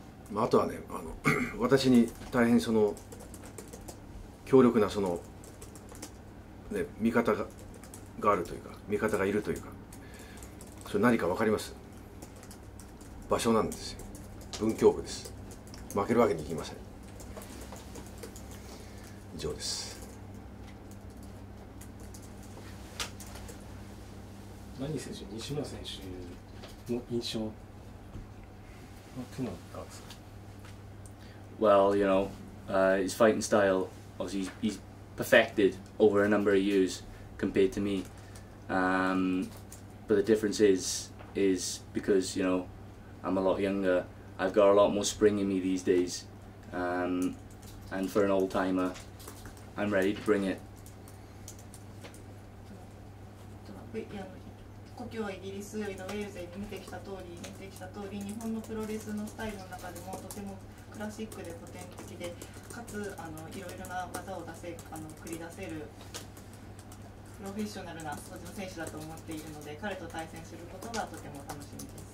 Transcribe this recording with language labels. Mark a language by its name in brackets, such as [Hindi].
[Japanese] まあ、あとはね、私に大変その強力なその、ね、味方があるというか、味方がいるというか、それ何か分かります？場所なんですよ。文京区です。負けるわけにいきません。以上です。何選手、西村選手の印象は何だったんですか？ [English] Well, you know, his fighting style, obviously he's perfected over a number of years compared to me. But the difference is because, you know, I'm a lot younger. I've got a lot more spring in me these days. And for an old timer, I'm ready to bring it. [Japanese] イギリスよりのウェールズで見てきた通り日本のプロレスのスタイルの中でもとてもクラシックで古典的で、かついろいろな技を繰り出せるプロフェッショナルな選手だと思っているので、彼と対戦することがとても楽しみです。